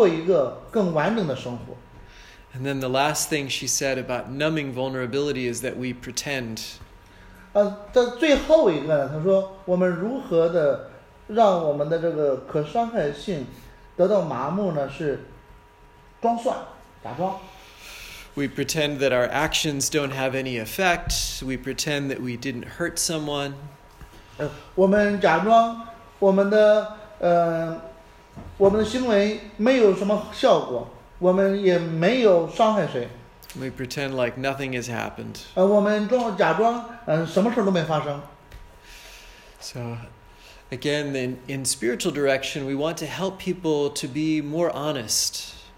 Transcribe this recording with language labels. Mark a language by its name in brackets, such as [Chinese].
[Chinese] 当我们意识到这些东西的时候，我们会过一个更完整的生活。 [English] And then the last thing she said about numbing vulnerability is that we pretend. [Chinese] 在最后一个呢，她说我们如何的 让我们的这个可伤害性得到麻木呢，是装蒜，假装。 [English] We pretend that our actions don't have any effect. We pretend that we didn't hurt someone. [Chinese] 我们假装我们的行为没有什么效果，我们也没有伤害谁。 [English] We pretend like nothing has happened. [Chinese] 我们装假装什么事都没发生。 [English] So. Again, in spiritual direction, we want to help people to be more honest.